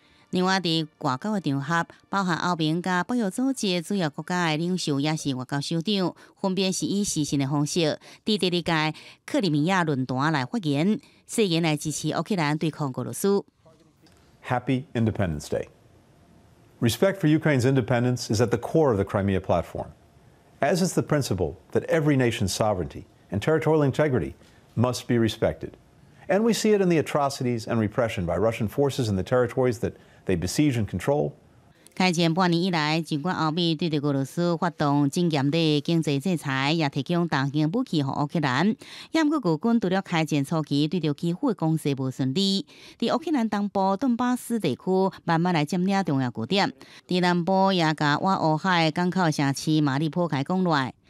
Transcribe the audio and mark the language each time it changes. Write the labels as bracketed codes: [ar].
[zh] 另外在外交的场合，包含欧盟和北约组织主要国家的领袖也是外交首长，分别是以视讯的方式在第二届克里米亚论坛来发言，誓言来支持乌克兰对抗俄罗斯。 [en] Happy Independence Day. Respect for Ukraine's independence is at the core of the Crimea platform, as is the principle that every nation's sovereignty and territorial integrity must be respected. And we see it in the atrocities and repression by Russian forces in the territories that they besiege and control. [zh] 开战半年以来，尽管欧美对俄罗斯发动真严厉经济制裁，也提供大型武器给乌克兰，但俄军除了开战初期对着基辅的攻势不顺利，在乌克兰东部顿巴斯地区慢慢来占领重要据点，在南部也把瓦乌海港口城市马里波开攻来。